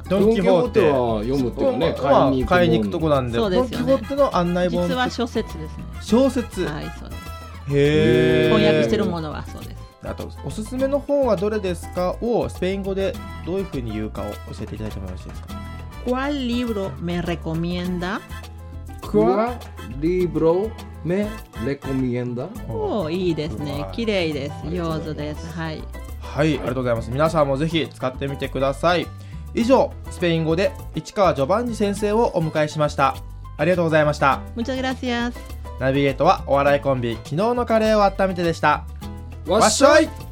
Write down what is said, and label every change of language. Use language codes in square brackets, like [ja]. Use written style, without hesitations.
[ja] ドンキホーテは読むっていうね、買いに行く、買いに行くとこなんで。そうですよね。ドンキホーテの案内本実は小説ですね。小説。はい、そうです。へえ。翻訳してるものはそうです。あとおすすめの本はどれですかをスペイン語でどういうふうに言うかを教えていただいてもよろしいですか。 [es] ¿Cuál libro me recomienda? ¿Cuál libro me recomienda? [ja] おー、いいですね。綺麗です。上手です。はい。はい、ありがとうございます。皆さんもぜひ使ってみてください。以上、スペイン語で市川ジョバンニ先生をお迎えしました。ありがとうございました。 [es] Muchas gracias. [ja] ナビゲートはお笑いコンビ、昨日のカレーを温めてでした。わっしょい！